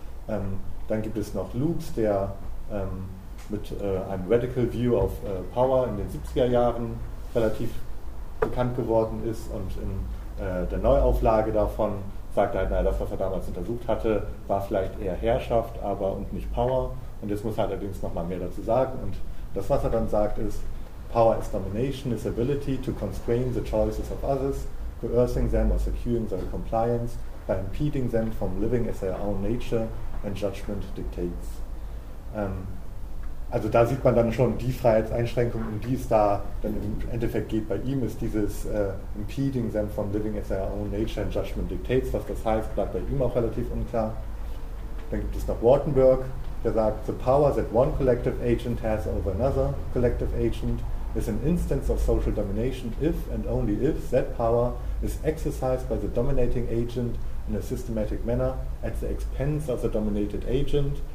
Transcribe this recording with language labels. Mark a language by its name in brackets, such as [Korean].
[German] Dann gibt es noch Lukes, der mit einem Radical View of Power in den 70er Jahren relativ bekannt geworden ist und in der Neuauflage davon sagt er halt, naja, das, was er damals untersucht hatte, war vielleicht eher Herrschaft aber und nicht Power. Und jetzt muss er allerdings nochmal mehr dazu sagen. Und das, was er dann sagt, ist, [English] Power is domination, is ability to constrain the choices of others, coercing them or securing their compliance by impeding them from living as their own nature and judgment dictates. [German] Also da sieht man dann schon die Freiheitseinschränkung, um die es da dann im Endeffekt geht bei ihm, ist dieses [English] impeding them from living as their own nature and judgment dictates. [German] Was das heißt, bleibt bei ihm auch relativ unklar. Dann gibt es noch Wartenberg, der sagt, [English] the power that one collective agent has over another collective agent is an instance of social domination if and only if that power is exercised by the dominating agent in a systematic manner at the expense of the dominated agent.